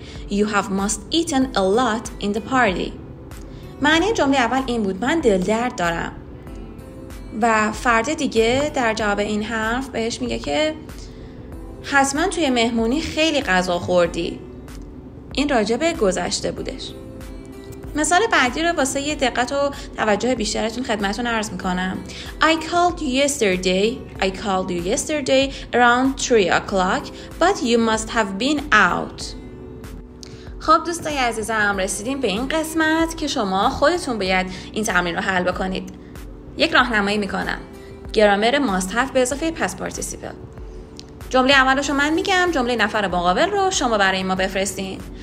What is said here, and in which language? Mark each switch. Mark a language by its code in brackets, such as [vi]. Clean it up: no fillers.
[en] You have must eaten a lot in the party. [fa] معنی جمله اول این بود من دل درد دارم. و فرد دیگه در جواب این حرف بهش میگه که حتما توی مهمونی خیلی غذا خوردی. این راجبه گذشته بودش. مثال بعدی رو واسه یه دقت و توجه بیشترتون خدمتون عرض میکنم. [en] I called you yesterday around 3 o'clock, but you must have been out. [fa] خب دوستای عزیزم، رسیدیم به این قسمت که شما خودتون باید این تمرین رو حل بکنید. یک راهنمایی میکنم. گرامر must have به اضافه past participle. جمله اولش رو من میگم، جمله نفر مقابل رو شما برای ما بفرستین.